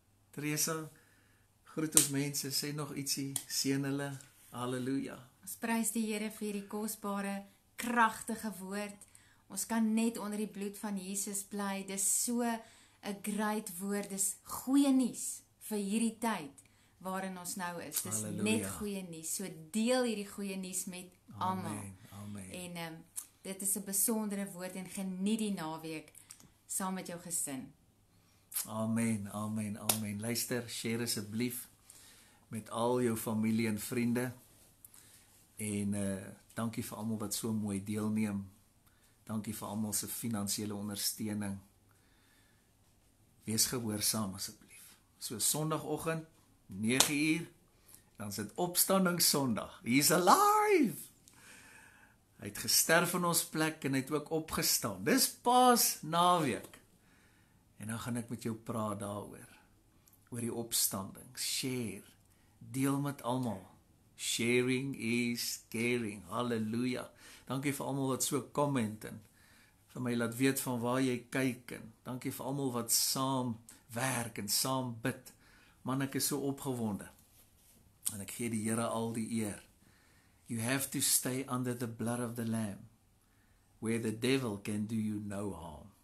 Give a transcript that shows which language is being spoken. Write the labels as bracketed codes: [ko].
[af] Teresa, groet ons mense, sê nog ietsie, seën hulle, halleluja. Ons prys die Here vir hierdie kosbare, kragtige woord. Ons kan net onder die bloed van Jesus bly, dis so 'n great woord, dis goeie nuus vir hierdie tyd waarin ons nou is. Dis halleluja. Net goeie nuus. So deel hierdie goeie nuus met almal. Amen. Amen. En dit is 'n besondere woord en geniet die naweek saam met jou gesin. Amen. Amen. Amen. Luister, share asseblief met al jou familie en vriende. En dankie vir almal wat so mooi deelneem. Dankie vir almal se finansiële ondersteuning. Wees gehoorsaam asseblief. So Sondagoggend 9:00, dan is dit opstanding Sondag. [en] He's alive! [af] Hy het gesterf in ons plek en hy het ook opgestaan. Dis Paas naweek. En dan gaan ek met jou praat daaroor. Oor die opstanding. Share. Deel met allemaal. [en] Sharing is caring. Halleluja. [af] Dankie vir allemaal wat so comment en vir my laat weet van waar jy kyk en dankie vir allemaal wat saam werk en saam bid. Man, ek is so opgewonde. En ek gee die Here al die eer. [en] You have to stay under the blood of the Lamb, where the devil can do you no harm.